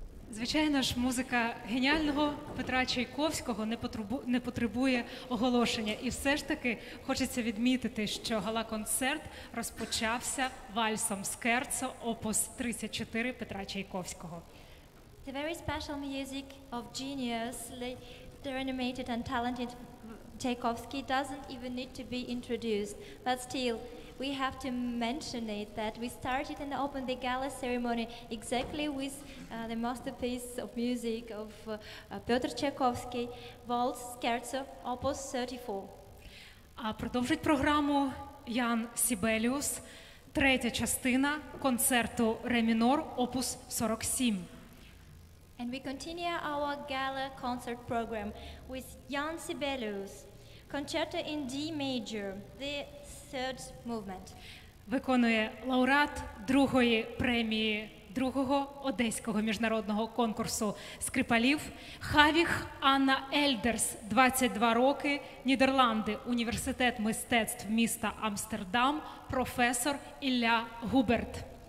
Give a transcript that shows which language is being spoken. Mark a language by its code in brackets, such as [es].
[uk] Звичайно ж, музика геніального Петра Чайковського не потребує оголошення. І все ж таки хочеться відмітити, що гала-концерт розпочався вальсом Скерцо, опус 34 Петра Чайковського. [en] The very special music of geniusly animated and talented Tchaikovsky doesn't even need to be introduced, but still we have to mention it that we started and opened the gala ceremony exactly with the masterpiece of music of Pyotr Tchaikovsky, Waltz Scherzo, Opus 34. [uk] А продовжить програму Ян Сібеліус, третя частина концерту ре мінор, опус 47. [en] And we continue our gala concert program with J.Sibelius, Concerto in D major, the third movement. [uk] Виконує лауреат другої премії другого Одеського міжнародного конкурсу скрипалів Hawijch Anna Elders, 22 роки, Нідерланди, університет мистецтв міста Амстердам, професор Ілля Груберт.